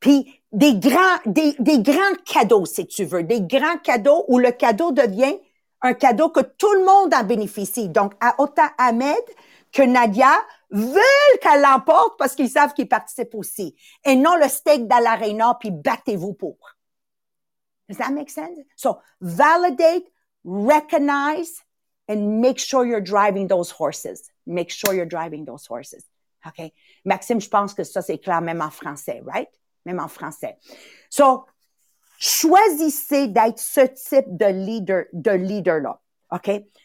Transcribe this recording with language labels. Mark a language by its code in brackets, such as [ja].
[fr] Puis, des grands cadeaux, si tu veux. Des grands cadeaux où le cadeau devient un cadeau que tout le monde en bénéficie. Donc, autant Ahmed que Nadia veulent qu'elle l'emporte parce qu'ils savent qu'ils participent aussi. Et non le steak dans l'aréna, puis battez-vous pour. [en] Does that make sense? So, validate, recognize, and make sure you're driving those horses. Make sure you're driving those horses. OK? [fr] Maxime, je pense que ça, c'est clair, même en français, right? Même en français. So, choisissez d'être ce type de leader-là. OK?